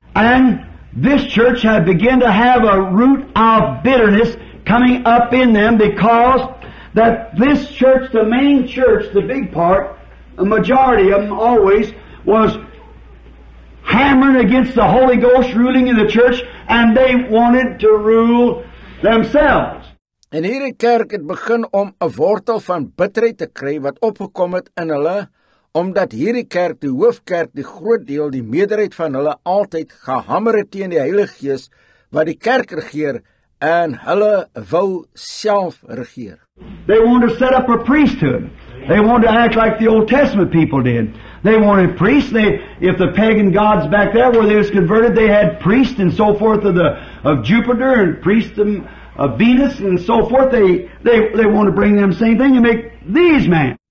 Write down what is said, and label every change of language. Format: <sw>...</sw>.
<en>And this church had begun to have a root of bitterness coming up in them because that this church, the main church, the big part, a majority of them always, was hammering against the Holy Ghost ruling in the church and they wanted to rule themselves.</en> <af>En hierdie kerk het begin om 'n wortel van bitterheid te kry wat opgekom het in hulle, omdat hierdie kerk, die hoofkerk, die groot deel, die meerderheid van hulle altyd gehammer het teen die Heilige Gees wat die kerk regeer en hulle wou self regeer.</af> <en>They wanted to set up a priesthood. They wanted to act like the Old Testament people did. They wanted priests. If the pagan gods back there where they was converted, they had priests and so forth of Jupiter and priests of Venus and so forth. They wanted to bring them the same thing and make these men.</en>